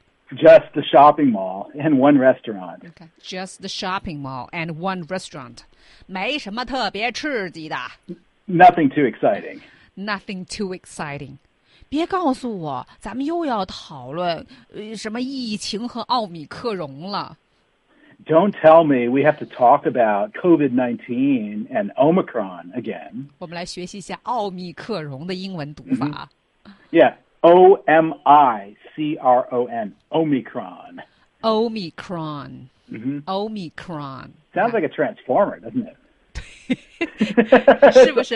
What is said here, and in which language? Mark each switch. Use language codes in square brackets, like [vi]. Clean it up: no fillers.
[en] Just the shopping mall and one restaurant. Okay. Just the shopping mall and one restaurant. [zh] 没什么特别刺激的。 [en] Nothing too exciting. Nothing too exciting. [zh] 别告诉我，咱们又要讨论什么疫情和奥米克戎了。 [en] Don't tell me we have to talk about COVID-19 and Omicron again. [zh] 我们来学习一下奥米克戎的英文读法。 [en] Mm-hmm. Yeah, Omicron. Omicron. Omicron. Mm-hmm. Omicron. Sounds like a transformer, doesn't it? [zh] 是不是